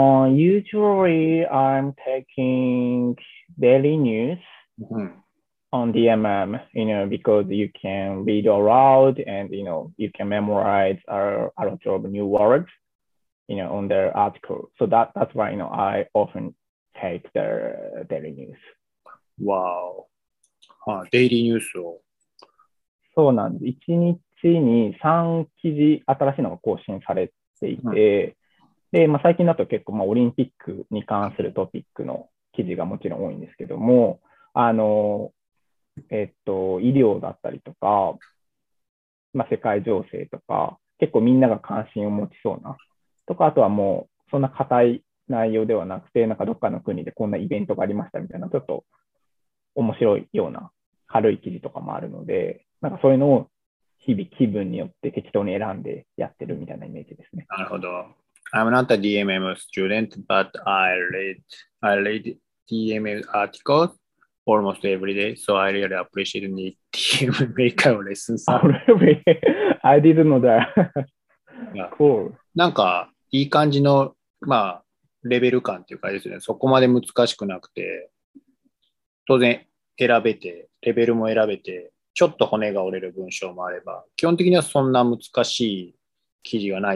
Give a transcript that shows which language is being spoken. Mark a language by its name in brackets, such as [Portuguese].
[English] Usually, I'm taking daily news on DMM, you know, because you can read aloud and, you know, you can memorize a lot of new words, you know, on their article. So that's why, you know, I often take their daily news. Wow. Daily news. [Japanese] そうなんです。 1日に3記事新しいのが更新されていて、で、まあ、最近だと結構、まあ、オリンピックに関するトピックの記事がもちろん多いんですけども、医療だったりとか、まあ、世界情勢とか、結構みんなが関心を持ちそうな、とか、あとはもう、そんな固い内容ではなくて、なんかどっかの国でこんなイベントがありましたみたいな、ちょっと面白いような軽い記事とかもあるので、なんかそういうのを日々気分によって適当に選んでやってるみたいなイメージですね。なるほど。 [English] I'm not a DMM student, but I read DMM articles almost every day, so I really appreciate the DMM makeup lessons. Oh, really? I didn't know that. Cool. [Japanese] なんか、いい感じの、まあ、レベル感っていうかですね、そこまで難しくなくて、当然、選べて、レベルも選べて、ちょっと骨が折れる文章もあれば、基本的にはそんな難しい記事がない。